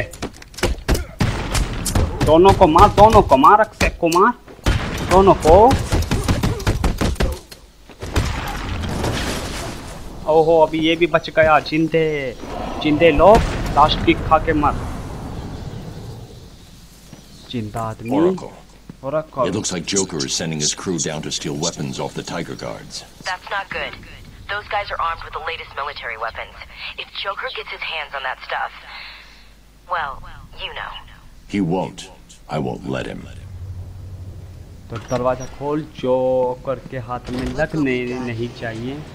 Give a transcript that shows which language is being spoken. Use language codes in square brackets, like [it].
[hi] दोनों को मार, दोनों को मार, रख से कुमार, दोनों को। ओहो अभी ये भी बच गया, जिंदे जिंदे लोग, लास्ट पिक खा के मर। जिंदा आदमी [en] Oracle. It looks like Joker is sending his crew down to steal weapons off the Tiger Guards. That's not good. Those guys are armed with the latest military weapons. If Joker gets his hands on that stuff, well, you know. He won't. I won't let him. [hi] तो दरवाजा खोल, joker के हाथ में लगने नहीं चाहिए।